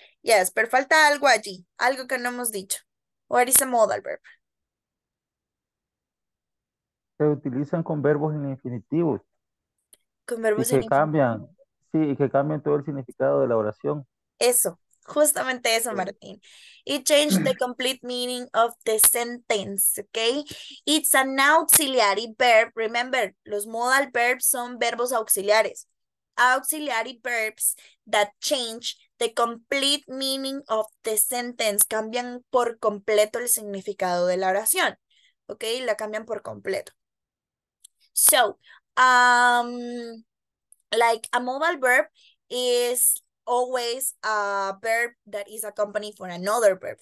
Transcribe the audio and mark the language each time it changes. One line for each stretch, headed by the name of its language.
Spanish: Yes, pero falta algo allí, algo que no hemos dicho.
English: What is a modal verb?
Spanish: Se utilizan con verbos en infinitivos Con verbos en cambian, infinitivo. sí, y que cambian todo el significado de la oración. Eso, justamente eso, Martín.
English: It changed the complete meaning of the sentence, okay? It's an auxiliary verb. Remember, los modal verbs
Spanish: son verbos auxiliares.
English: Auxiliary verbs that change the complete meaning of the sentence.
Spanish: Cambian por completo el significado de la oración.
English: Okay,
Spanish: la cambian por completo.
English: So, like a modal verb is always a verb that is accompanied for another verb.